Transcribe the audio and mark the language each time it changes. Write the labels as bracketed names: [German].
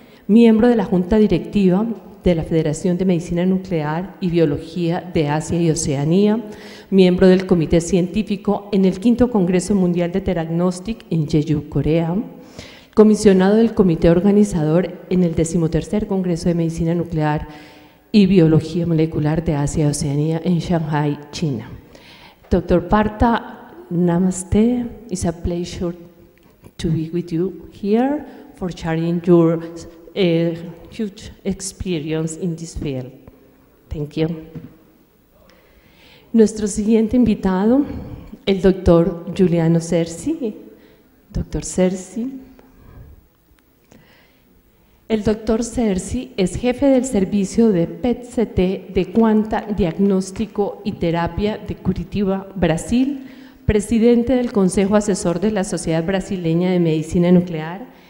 [Spanish] miembro de la Junta Directiva de la Federación de Medicina Nuclear y Biología de Asia y Oceanía, miembro del Comité Científico en el 5º Congreso Mundial de Theranostic en Jeju, Corea, comisionado del Comité Organizador en el 13º Congreso de Medicina Nuclear y Biología Molecular de Asia y Oceanía en Shanghai, China. [English] Dr. Partha, namaste. It's a pleasure to be with you here for sharing your huge experience in this field. Thank you. [Spanish] Nuestro siguiente invitado, el doctor Giuliano Cerci. Doctor Cerci. El doctor Cerci es jefe del servicio de PET-CT de Quanta Diagnóstico y Terapia de Curitiba, Brasil, presidente del Consejo Asesor de la Sociedad Brasileña de Medicina Nuclear,